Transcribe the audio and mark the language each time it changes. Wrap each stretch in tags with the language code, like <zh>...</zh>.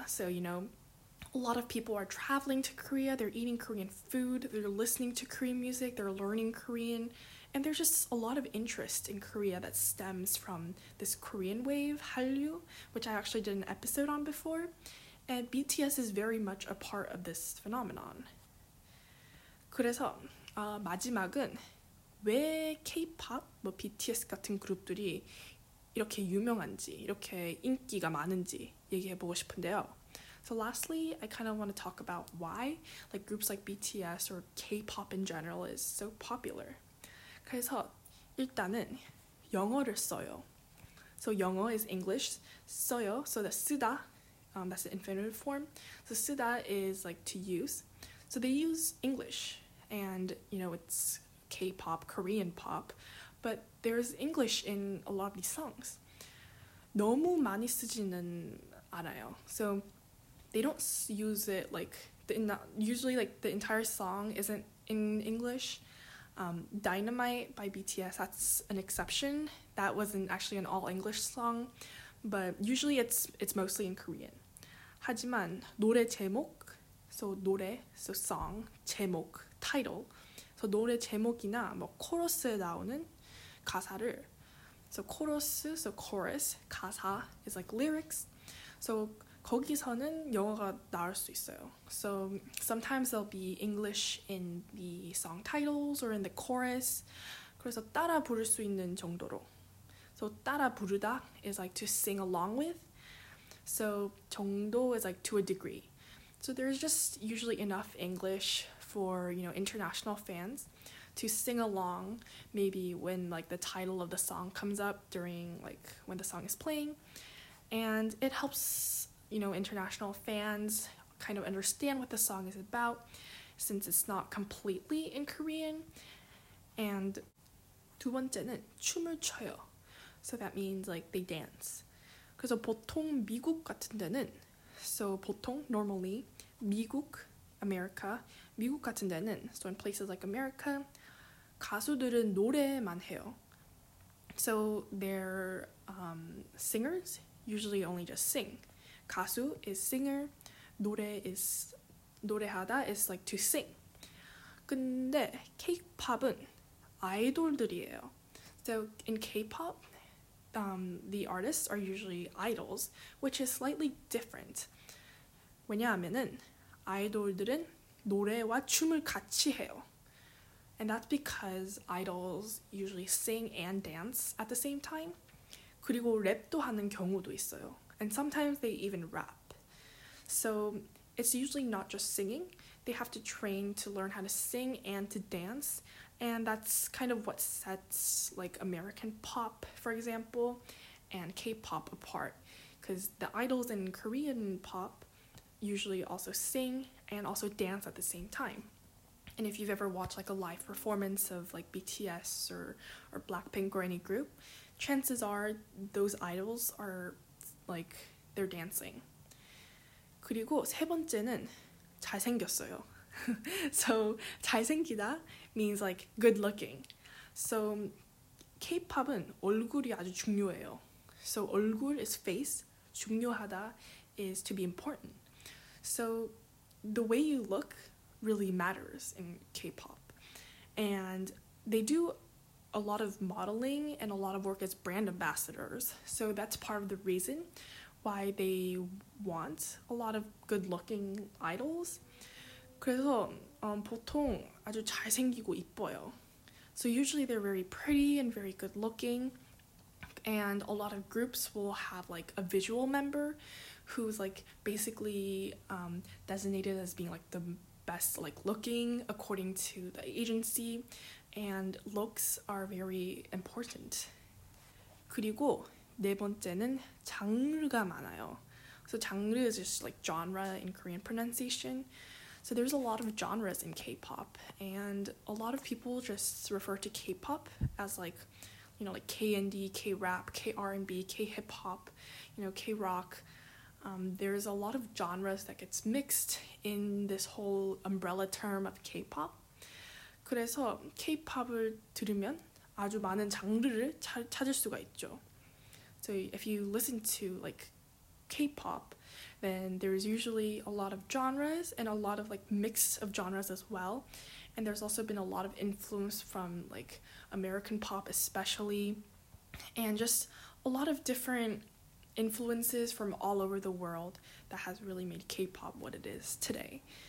<en>So, you know, a lot of people are traveling to Korea, they're eating Korean food, they're listening to Korean music, they're learning Korean, and there's just a lot of interest in Korea that stems from this Korean wave, Hallyu, which I actually did an episode on before, and BTS is very much a part of this phenomenon.</en> <ko>그래서 마지막은 왜 K-pop, 뭐 BTS 같은 그룹들이 이렇게 유명한지, 이렇게 인기가 많은지 얘기해보고 싶은데요.</ko> <en>So lastly, I kind of want to talk about why like groups like BTS or K-pop in general is so popular.</en> <ko>그래서 일단은 영어를 써요.</ko> <en>So 영어 is English, 써요. So the 쓰다, that's the infinitive form. So 쓰다 is like to use. So they use English and, you know, it's K-pop, Korean pop, but there's English in a lot of these songs.</en> <ko>너무 많이 쓰지는 않아요.</ko> <en>So they don't use it like usually like the entire song isn't in English. Dynamite by BTS, that's an exception. That wasn't actually an all English song, but usually it's mostly in Korean.</en> <ko>하지만 노래 제목, so 노래, so song, 제목, title. So 노래 제목이나 뭐 코러스에 나오는 가사를.</ko> <en>So 코러스, so chorus, 가사 is like lyrics.</en> <ko>So 거기서는 영어가 나올 수 있어요.</ko> <en>So sometimes there'll be English in the song titles or in the chorus.</en> <ko>그래서 따라 부를 수 있는 정도로.</ko> <en>So</en> <ko>따라 부르다</ko> <en>is like to sing along with. So 정도 is like to a degree. So there's just usually enough English for, you know, international fans to sing along maybe when like the title of the song comes up during like when the song is playing. And it helps, you know, international fans kind of understand what the song is about since it's not completely in Korean.</en> <ko>And 두 번째는 춤을 춰요.</ko> <en>So that means like they dance.</en> <ko>그래서 보통 미국 같은 데는, so 보통 normally 미국, America, 미국 같은 데는,</ko> <en>so in places like America,</en> <ko>가수들은 노래만 해요.</ko> <en>So their singers usually only just sing. 가수 is singer, 노래하다 is like to sing.</en> <ko>근데 K-pop은 아이돌들이에요.</ko> <en>So in K-pop, the artists are usually idols, which is slightly different.</en> <ko>왜냐하면은 아이돌들은 노래와 춤을 같이 해요.</ko> <en>And that's because idols usually sing and dance at the same time.</en> <ko>그리고 랩도 하는 경우도 있어요.</ko> <en>And sometimes they even rap. So it's usually not just singing. They have to train to learn how to sing and to dance. And that's kind of what sets like American pop, for example, and K-pop apart. Because the idols in Korean pop usually also sing and also dance at the same time. And if you've ever watched like a live performance of like BTS or Blackpink or any group, chances are those idols are like, they're dancing.</en> <ko>그리고 세 번째는 잘생겼어요.</ko> <en>So 잘생기다 means like good looking.</en> <ko>So K-pop은 얼굴이 아주 중요해요.</ko> <en>So 얼굴 is face, 중요하다 is to be important. So the way you look really matters in K-pop. And they do a lot of modeling and a lot of work as brand ambassadors. So that's part of the reason why they want a lot of good-looking idols.</en> <ko>그래서 보통 아주 잘생기고 이뻐요.</ko> <en>So usually they're very pretty and very good-looking. And a lot of groups will have like a visual member who's like basically designated as being like the best like looking according to the agency, and looks are very important.</en> <ko>그리고 네 번째는 장르가 많아요.</ko> <en>So 장르 is just like genre in Korean pronunciation. So there's a lot of genres in K-pop, and a lot of people just refer to K-pop as like, you know, like K-ND, K-rap, K-R&B, K-hip-hop, you know, K-rock. There's a lot of genres that gets mixed in this whole umbrella term of K-pop.</en> <ko>그래서 K-pop을 들으면 아주 많은 장르를 찾을 수가 있죠.</ko> <en>So if you listen to like K-pop, then there's usually a lot of genres and a lot of like mix of genres as well. And there's also been a lot of influence from like American pop especially, and just a lot of different influences from all over the world that has really made K-pop what it is today.</en>